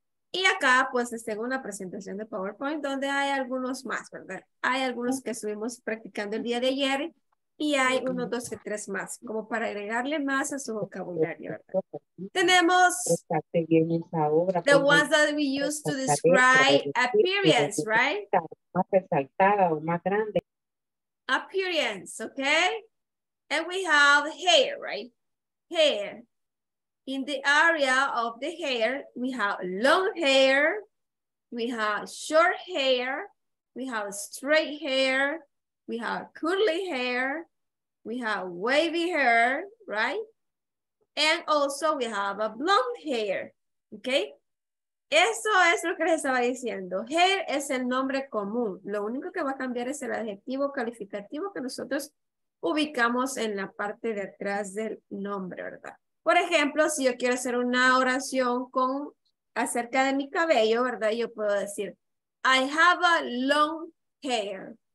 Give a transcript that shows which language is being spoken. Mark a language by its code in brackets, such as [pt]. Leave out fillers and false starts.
[es] Y acá, pues, les tengo una presentación de PowerPoint donde hay algunos más, ¿verdad? Hay algunos que estuvimos practicando el día de ayer y hay unos 12, 3 más, como para agregarle más a su vocabulario, ¿verdad? Tenemos [en] the ones that we use to describe appearance, right? [es] Más resaltada o más grande. [en] Appearance, okay? And we have hair, right? Hair. In the area of the hair, we have long hair, we have short hair, we have straight hair, we have curly hair, we have wavy hair, right? And also we have a blonde hair, okay? [es] Eso es lo que les estaba diciendo. Hair es el nombre común. Lo único que va a cambiar es el adjetivo calificativo que nosotros ubicamos en la parte de atrás del nombre, ¿verdad? Por ejemplo, si yo quiero hacer una oración con acerca de mi cabello, ¿verdad? Yo puedo decir, [en] I have a long hair.